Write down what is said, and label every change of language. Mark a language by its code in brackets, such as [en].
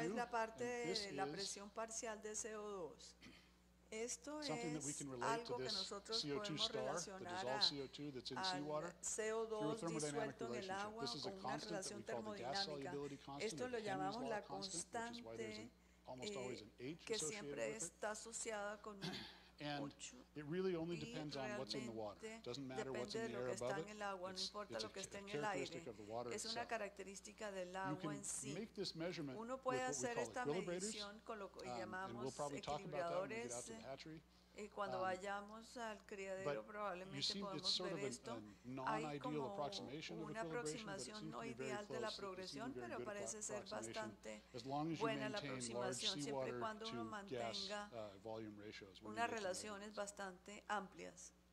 [es] es la parte de la presión parcial de CO2. Esto es algo que nosotros podemos relacionar a CO2 disuelto en el agua con una relación termodinámica. Esto lo llamamos la constante que siempre está asociada con un [en] It really only depends on what's in the water. It doesn't matter what's in the air above it. [es] No importa lo que esté en el aire. Es una característica del agua en sí. [en] You can make this measurement [es] Uno puede hacer esta medición con lo que llamamos equilibradores. Y cuando vayamos al criadero probablemente podemos ver esto. Hay como una aproximación no ideal de la progresión, pero parece ser bastante buena la aproximación siempre y cuando uno mantenga unas relaciones bastante amplias.